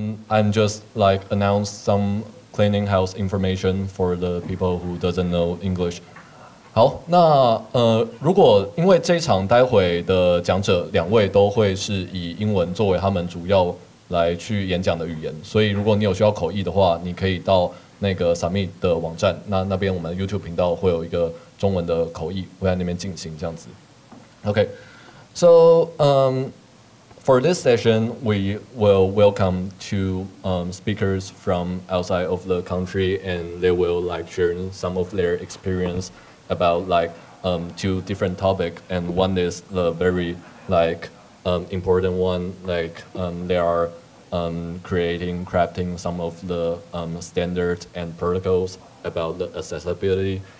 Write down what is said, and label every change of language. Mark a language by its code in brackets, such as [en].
[en] I'm just like announce some cleaning house information for the people who doesn't know English. [zh] 好，那如果因为这场待会的讲者两位都会是以英文作为他们主要来去演讲的语言，所以如果你有需要口译的话，你可以到那个 Summit 的网站，那边我们 YouTube 频道会有一个中文的口译会在那边进行这样子。 [en] OK, so for this session, we will welcome two speakers from outside of the country, and they will like share some of their experience about like two different topics. And one is the very like important one, like they are crafting some of the standards and protocols about the accessibility.